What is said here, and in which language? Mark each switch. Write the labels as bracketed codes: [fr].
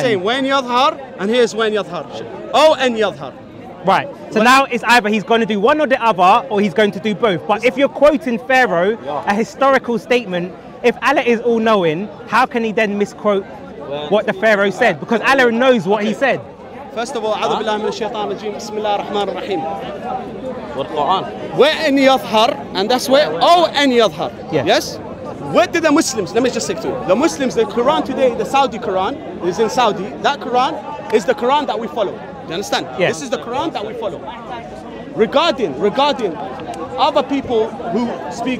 [en] The same. When Yadhar, and here's when Yadhar. Oh, and Yadhar. Right. So when, now it's either he's going to do one or the other, or he's going to do both. But if you're quoting Pharaoh, a historical statement, if Allah is all-knowing, how can he then misquote what the Pharaoh said? Because Allah knows what he said. [ar] First of all, أعوذ بالله من الشيطان الرجيم بسم الله الرحمن الرحيم. والقرآن. وأن يظهر, [en] and that's where, [ar] أو أن يظهر. [en] Yes. Yes? What did the Muslims, let me just say to you, the Muslims, the Quran today, the Saudi Quran, is in Saudi, that Quran is the Quran that we follow. You understand? Yes. This is the Quran that we follow. Regarding other people who speak...